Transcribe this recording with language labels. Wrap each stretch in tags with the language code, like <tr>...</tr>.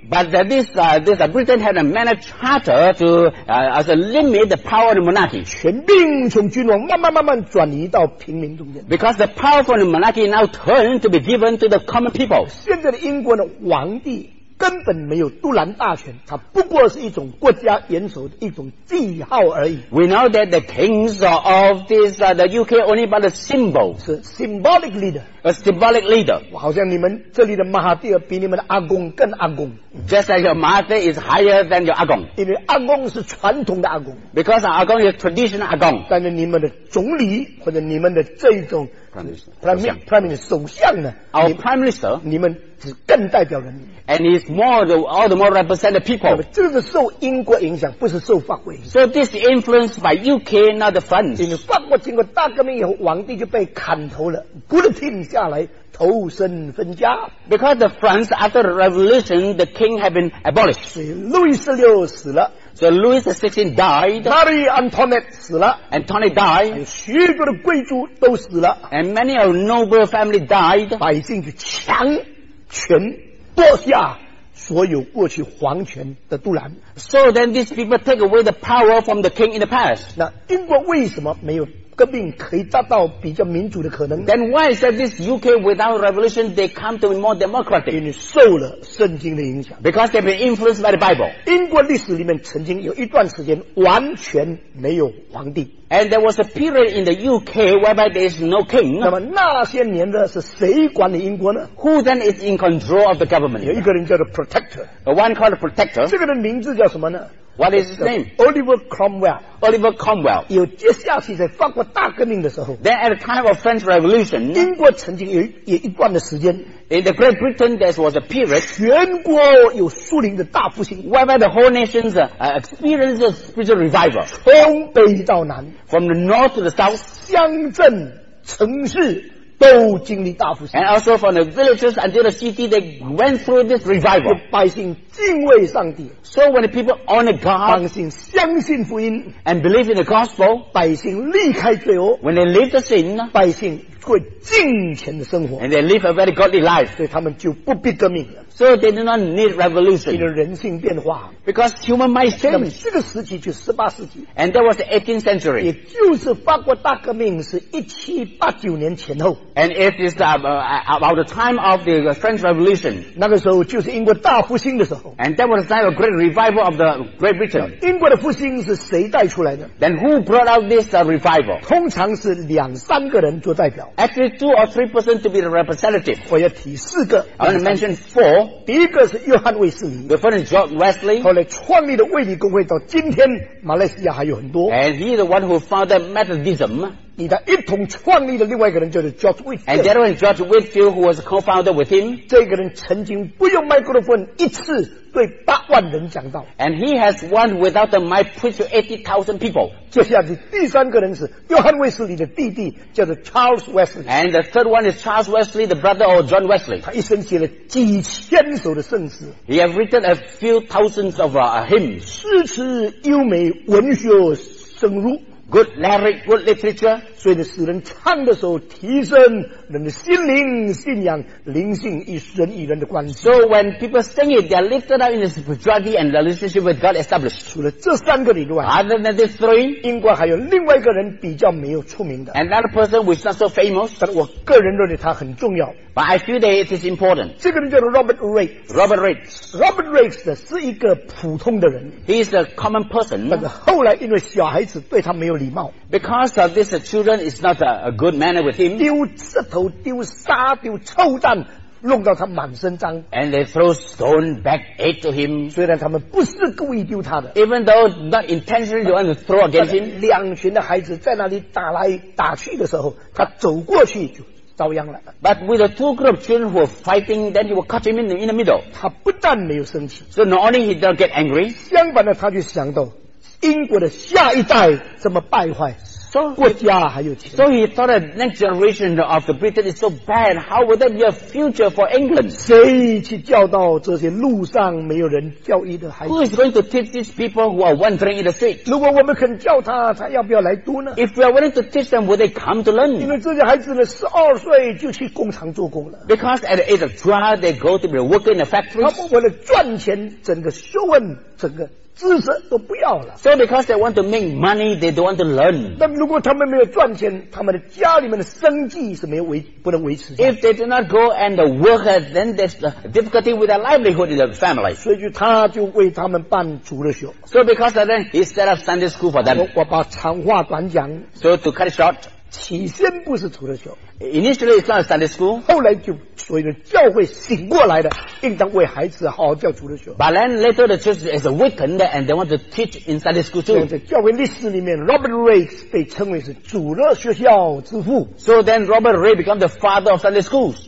<en>But this Britain had a Magna Charta to as a limit the power of the monarchy.</en> <zh>权柄从君王慢慢转移到平民中间。</zh> <en>Because the power from the monarchy now turned to be given to the common people.</en> <zh>现在的英国呢，皇帝。根本没有杜兰大权，它不过是一种国家元首的一种记号而已。</zh> <en>We know that the kings of this the UK only but a symbol.</en> <zh>是</zh> <en>symbolic leader. A symbolic leader.</en> <zh>好像你们这里的马哈蒂尔比你们的阿公更阿公。</zh> <en>Just like your Mahathir is higher than your 阿公。</en> <zh>因为阿公是传统的阿公。</zh> <en>Because our 阿公 is traditional 阿公。</en> <zh>但是你们的总理或者你们的这一种</zh> <en>prime minister</en> <zh>首相呢</zh> <en>？Our prime minister，</en> <zh>你们是更代表人民。</zh> <en>And he's more all the more represent the people.</en> <zh>这是受英国影响，不是受法国影响。</zh> <en>So this influenced by UK, not the France.</en> <zh>因为法国经过大革命以后，皇帝就被砍头了 ，guillotine 下来，投身分家。</zh> <en>Because the France after the revolution, the king had been abolished.</en> <zh>所以路易十六死了。</zh> <en>So Louis XVI died.</en> <zh>Marie Antoinette 死了。</zh> <en>Antoinette died.</en> <zh>许多的贵族都死了。</zh> <en>And many of noble family died.</en> <zh>百姓就强权夺下所有过去皇权的杜兰。</zh> <en>So then these people take away the power from the king in the past.</en> <zh>那英国为什么没有革命可以达到比较民主的可能？</zh> <en>Then why is that this UK without revolution they come to be more democratic?</en> <zh>因为受了圣经的影响。</zh> <en>Because they've been influenced by the Bible.</en> <zh>英国历史里面曾经有一段时间完全没有皇帝。</zh> <en>And there was a period in the UK whereby there is no king.</en> <zh>那么那些年的是谁管理英国呢？</zh> <en>Who then is in control of the government?</en> <zh>有一个人叫做 protector.</zh> <en>One called protector.</en> <zh>这个人名字叫什么呢？</zh> <en>What is his name? Oliver Cromwell. Oliver Cromwell.</en> <zh>有接下去在法国大革命的时候。</zh> <en>Then at the time of French Revolution.</en> <zh>英国曾经有一段的时间。</zh> <en>In the Great Britain, there was a period.</en> <zh>全国有苏联的大复兴。</zh> <en>Whereby the whole nations experienced a spiritual revival.</en> <zh>从北到南。</zh> <en>From the north to the south.</en> <zh>乡镇城市都经历大复兴。</zh> <en>And also from the villages until the city, they went through this revival.</en> <zh>百姓敬畏上帝。</zh> <en>So when the people honor God,</en> <zh>百姓相信福音</zh> <en>and believe in the gospel,</en> <zh>百姓离开罪恶</zh> <en>when they leave the sin,</en> <zh>百姓会敬虔的生活</zh> <en>and they live a very godly life.</en> <zh>所以他们就不必革命了。</zh> <en>So they do not need revolution.</en> <zh>因为人性变化</zh> <en>because human mind change.</en> <zh>那么这个时期就是18世纪</zh> <en>and that was the 18th century.</en> <zh>也就是法国大革命是1789年前后</zh> <en>and it is about the time of the French Revolution.</en> <zh>那个时候就是英国大复兴的时候</zh> <en>and that was the time of great revival of the Great Britain.</en> <zh>英国的复兴是谁带出来的？</zh> <en>Then who brought out this revival?</en> <zh>通常是两三个人做代表。</zh> <en>Actually, two or three persons to be the representative.</en> <zh>我要提四个。</zh> <en>I want to mention four.</en> <zh>第一个是约翰·卫斯理。</zh> <en>The first is John Wesley.</en> <zh>后来创立的卫理公会，到今天马来西亚还有很多。</zh> <en>And he is the one who founded Methodism.</en> <zh>与他一同创立的另外一个人就是 George Whitfield.</zh> <en>And the other one is George Whitfield, who was a co-founder with him.</en> <zh>这个人曾经不用microphone一次。对八万人讲道</zh> <en>and he has won without the mic preach to 80,000 people</en> <zh>接下来第三个人是约翰威斯理的弟弟叫做 Charles Wesley</zh> <en>and the third one is Charles Wesley the brother of John Wesley</en> <zh>他一生写了几千首的圣诗</zh> <en>he has written a few thousands of hymns</en> <zh>诗词优美文学深入</zh> <en>Good lyric, good literature.</en> <zh>所以呢，使人唱的时候提升人的心灵信仰，灵性与人与人的关系。</zh> <en>So when people sing it, they are lifted up in the spirituality and the relationship with God established.</en> <zh>除了这三个以外</zh> <en>，other than these three,</en> <zh>英国还有另外一个人比较没有出名的。</zh> <en>And that person was not so famous,</en> <zh>但我个人认为他很重要。</zh> <en>But I feel that it is important.</en> <zh>这个人叫做 Robert Riggs.</zh> <en>Robert Riggs.</en> <zh>Robert Riggs 呢是一个普通的人。</zh> <en>He is a common person.</en> <zh>但是后来因为小孩子对他没有礼貌。</zh> <en>Because of this, the children is not a good manner with him.</en> <zh>丢石头、丢沙、丢臭蛋，弄到他满身脏。</zh> <en>And they throw stone back at to him.</en> <zh>虽然他们不是故意丢他的。</zh> <en>Even though not intentionally they want to throw against him.</en> <zh>两群的孩子在那里打来打去的时候，他走过去就。遭殃了。</zh> <en>But with the two group children who were fighting, then he would cut him in the middle.</en> <zh>他不但没有生气。</zh> <en>So not only he don't get angry.</en> <zh>相反的，他就想到英国的下一代这么败坏。</zh> <en>So,</en> <zh>国家还有钱。</zh> <en>So he thought that next generation of the Britain is so bad. How would that be a future for England?</en> <zh>谁去教导这些路上没有人教育的孩子？</zh> <en>Who is going to teach these people who are wandering in the street?</en> <zh>如果我们肯教他，他要不要来读呢？</zh> <en>If we are willing to teach them, will they come to learn?</en> <zh>因为这些孩子呢，十二岁就去工厂做工了。</zh> <en>Because at the age of 12, they go to be working in the factories.</en> <zh>他们为了赚钱，整个学问，整个知识都不要了。</zh> <en>So because they want to make money, they don't want to learn.</en> <zh>那如果他们没有赚钱，他们的家里面的生计是没有维不能维持。</zh> <en>If they do not go and work, then there's difficulty with their livelihood in the family.</en> <zh>所以就他就为他们办主日学。</zh> <en>So because of that, he set up Sunday school for them.</en> <zh>我把长话短讲。</zh> <en>So to cut it short.</en> <zh>起先不是主日学</zh> <en>，initially it's not Sunday school，</en> <zh>后来就所以教会醒过来的，应当为孩子好好教主日学。</zh> <en>But then later the church is awakened and they want to teach in Sunday school too。</en> <zh>在教会历史里面 ，Robert Ray 被称为是主日学校之父。</zh> <en>So then Robert Ray became the father of Sunday schools。</en>